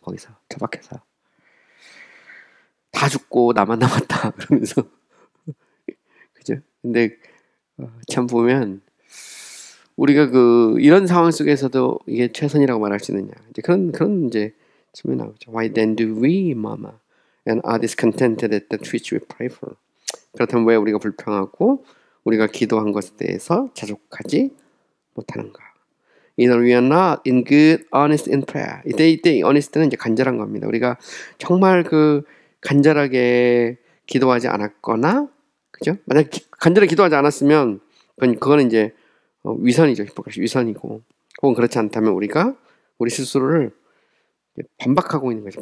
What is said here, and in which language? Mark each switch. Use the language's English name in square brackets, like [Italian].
[Korean] 거기서 처박혀서 다 죽고 나만 남았다 그러면서 그죠? 근데 참 보면 우리가 그 이런 상황 속에서도 이게 최선이라고 말할 수 있느냐 이제 그런 이제 질문 나오죠. [English] Why then do we murmur and are discontented at that which we pray for? [Korean] 그렇다면 왜 우리가 불평하고 우리가 기도한 것에 대해서 자족하지 못하는가? [English] Either we are not in good honest in prayer. [Korean] 이때 honest는 이제 간절한 겁니다. 우리가 정말 그 간절하게 기도하지 않았거나 그죠? 만약 간절히 기도하지 않았으면 그거는 이제 위선이죠. 히포크라시 위선이고 혹은 그렇지 않다면 우리가 우리 스스로를 반박하고 있는 거죠.